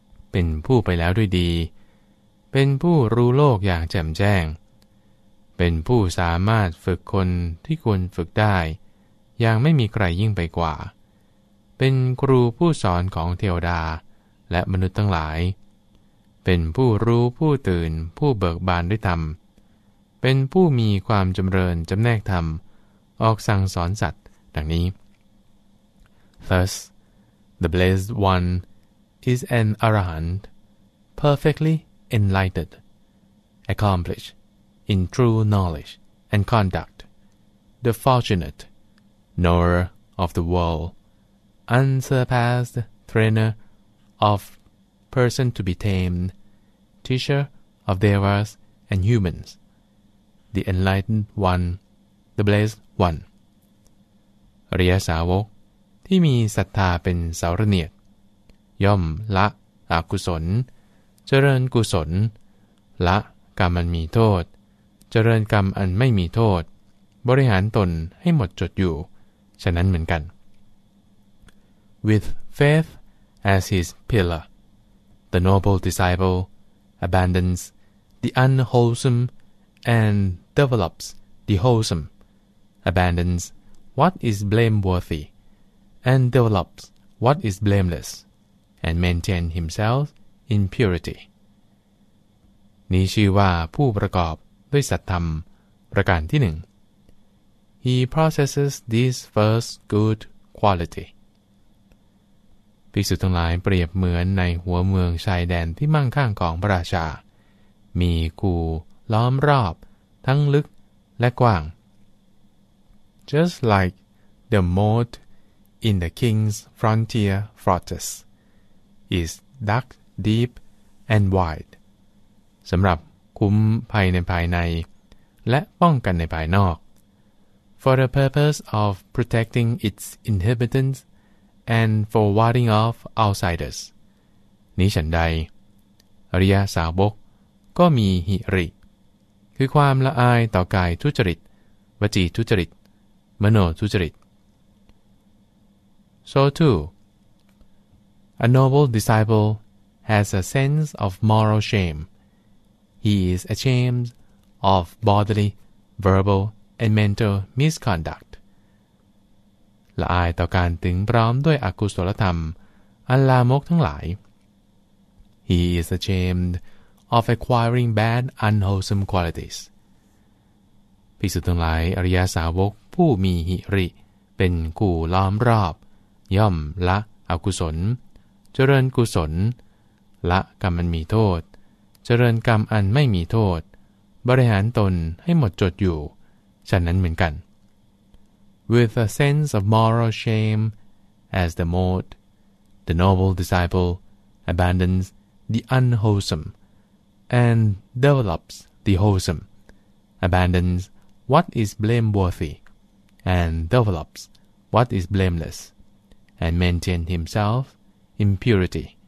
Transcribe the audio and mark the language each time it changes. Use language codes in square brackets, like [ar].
[th] เป็นผู้ไปแล้วด้วยดีเป็นผู้รู้โลกอย่างแจ่มแจ้งเป็นผู้สามารถฝึกคนที่ควรฝึกได้อย่างไม่มีใครยิ่งไปกว่าเป็นครูผู้สอนของเทวดาและมนุษย์ทั้งหลายเป็นผู้รู้ผู้ตื่นผู้เบิกบานด้วยธรรมเป็นผู้มีความจำเริญจำแนกธรรมออกสั่งสอนสัตว์ดังนี้ [en] Thus the blessed one is an arahant perfectlyenlightened, accomplished in true knowledge and conduct, the fortunate, knower of the world, unsurpassed trainer of person to be tamed, teacher of devas and humans, the enlightened one, the blessed one. [th] อริยสาวกที่มีศรัทธาเป็นเสาระเนียดย่อมละอกุศลเจริญกุศลละกรรมอันมีโทษเจริญกรรมอันไม่มีโทษบริหารตนให้หมดจดอยู่ฉะนั้นเหมือนกัน [en] With faith as his pillar The noble disciple abandons the unwholesome and develops the wholesome, abandons what is blameworthy and develops what is blameless, and maintains himself in purity. [th] นี้ชื่อว่าผู้ประกอบด้วยสัทธรรมประการที่หนึ่ง [en] He possesses this first good quality. [th] ภิกษุทั้งหลายเปรียบเหมือนในหัวเมืองชายแดนที่มั่งคั่งของพระราชามีคูล้อมรอบทั้งลึกและกว้าง [en] Just like the moat in the king's frontier fortress is dug deep and wide. [th] สำหรับคุ้มภัยในภายในและป้องกันในภายนอก [en] For the purpose of protecting its inhabitants and for warding off outsiders [th] นี้ฉันใดอริยสาวกก็มีหิริคือความละอายต่อกายทุจริตวจีทุจริตมโนทุจริต [en] So too a noble disciple has a sense of moral shameHe is ashamed of bodily, verbal, and mental misconduct. [th] ละอายต่อการถึงพร้อมด้วยอกุศลธรรมอันลามกทั้งหลาย [en] He is ashamed of acquiring bad, unwholesome qualities. [th] ภิกษุทั้งหลายอริยสาวกผู้มีหิริเป็นกู่ล้อมรอบย่อมละอกุศลเจริญกุศลละกรรมอันมีโทษเจริญกรรมอันไม่มีโทษบริหารตนให้หมดจดอยู่ฉะนั้นเหมือนกัน [en] With a sense of moral shame as the mode the noble disciple abandons the unwholesome and develops the wholesome abandons what is blameworthy and develops what is blameless and maintains himself in purity